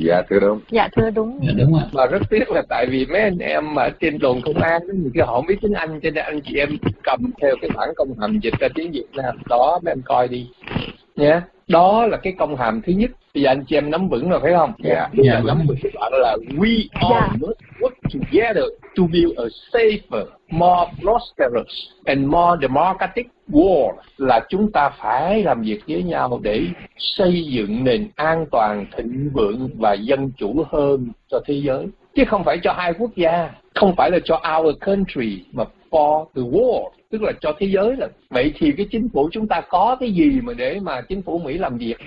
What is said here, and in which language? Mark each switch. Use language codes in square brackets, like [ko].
[vi] Dạ thưa đúng. Dạ thưa đúng. Dạ đúng ạ. Và rất tiếc là tại vì mấy anh em ở trên đồn công an thì họ không biết tiếng Anh, cho nên anh chị em cầm theo cái bản công hàm dịch ra tiếng Việt Nam đó, mấy em coi đi nhé. Đó là cái công hàm thứ nhất. Bây giờ anh chị em nắm vững rồi phải không? Dạ. Dạ nắm vững. Đoạn là [en] we all must work together to build a safer, more prosperous and more democratic world. [vi] Là chúng ta phải làm việc với nhau để xây dựng nền an toàn, thịnh vượng và dân chủ hơn cho thế giới. Chứ không phải cho hai quốc gia. Không phải là cho [en] our country. [vi] Mà [en] for the world, [vi] tức là cho thế giới. Là vậy thì cái chính phủ chúng ta có cái gì mà để mà chính phủ Mỹ làm việc?